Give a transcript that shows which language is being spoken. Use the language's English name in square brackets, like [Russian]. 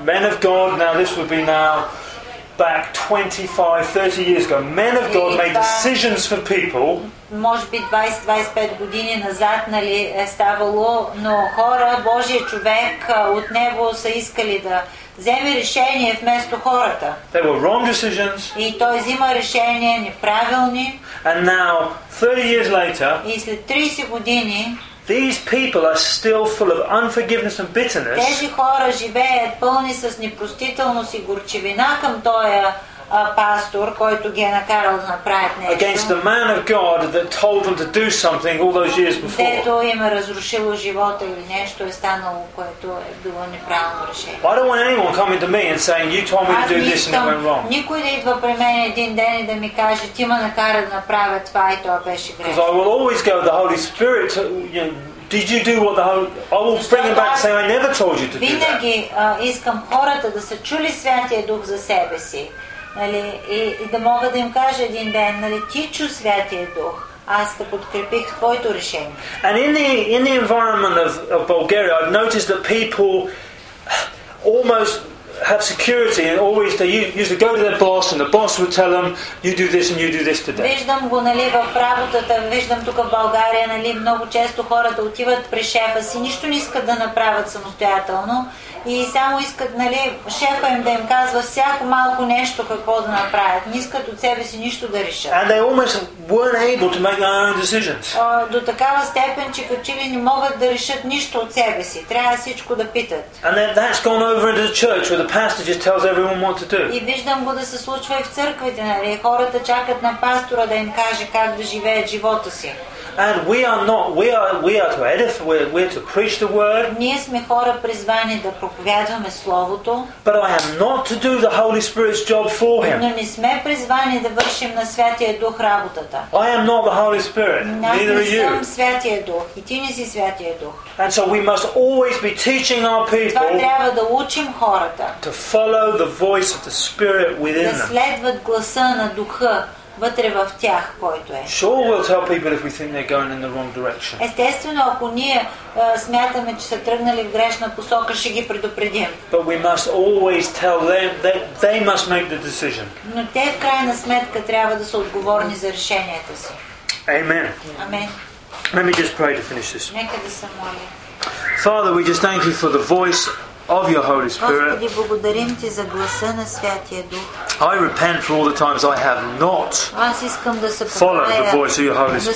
[English] Men of God, now this would be now back 25, 30 years ago. Men of God made decisions for people. [Bulgarian] Може би 20-25 години назад, нали, е ставало, но хора, Божия човек, от него са искали да вземе решение вместо хората. [English] They were wrong decisions. [Bulgarian] И той взима решения неправилни. [English] And now, 30 years later, [Bulgarian] и след 30 години, [English] these people are still full of unforgiveness and bitterness. [Bulgarian] Тези хора живеят пълни с непростителност и горчивина към тоя пастор, който ги е накарал да направят нещо. [English] Against the man of God that told them to do something all those years before. [Bulgarian] Дето им е разрушило живота или нещо е станало, което е било неправилно решение. [English] I don't want anyone coming to me and saying, "You told me to do this and it went wrong." [Bulgarian] Никой да идва при мен един ден и да ми каже, ти ме накара да направя това и това беше грешно. [English] Because I will always go to the Holy Spirit to, you know, did you do what the Holy Spirit? I will bring him back and say, "I never told you to do that." [Bulgarian] Винаги искам хората да са чули Святия Дух за себе си. Нали, и да мога да им кажа един ден, нали, ти чу Святия Дух, аз да подкрепих твоето решение. [English] And in the environment of Bulgaria, I've noticed that people almost have security and always they used to go to their boss and the boss would tell them, "You do this and you do this today." [Bulgarian] Виждам го, нали, в работата, виждам тук в България, нали, много често хората отиват при шефа си, нищо не искат да направят самостоятелно. И само искат, нали, шефа им да им казва всяко малко нещо какво да направят. Не искат от себе си нищо да решат. [English] And they almost weren't able to make their own decisions. [Bulgarian] До такава степен, че като че ли не могат да решат нищо от себе си. Трябва всичко да питат. [English] And then that's gone over into the church where the pastor just tells everyone what to do. [Bulgarian] И виждам го да се случва и в църквите, нали. Хората чакат на пастора да им каже как да живеят живота си. [English] And we are to edify, we're to preach the word. [Bulgarian] Ние сме хора призвани да проповядваме словото. [English] But I am not to do the Holy Spirit's job for him. [Bulgarian] Но не сме призвани да вършим на Святия Дух работата. [English] I am not the Holy Spirit. Neither are you. [Bulgarian] Не съм Святия Дух, и ти не си Святия Дух. [English] And so we must always be teaching our people. [Bulgarian] Това трябва да учим хората. [English] To follow the voice of the Spirit within them. [Bulgarian] Да следват гласа на Духа вътре в тях, който е. [English] Sure, we'll tell people if we think they're going in the wrong direction. [Bulgarian] Естествено, ако ние смятаме, че са тръгнали в грешна посока, ще ги предупредим. [English] But we must always tell them that they must make the decision. [Bulgarian] Но те в крайна сметка трябва да са отговорни за решенията си. [English] Amen. Amen. Let me just pray to finish this. [Bulgarian] Нека да се моли. [English] Father, we just thank you for the voice of your Holy Spirit. [Bulgarian] Господи, благодарим ти за гласа на Святия Дух. [English] I repent for all the times I have not followed the voice of your Holy Spirit.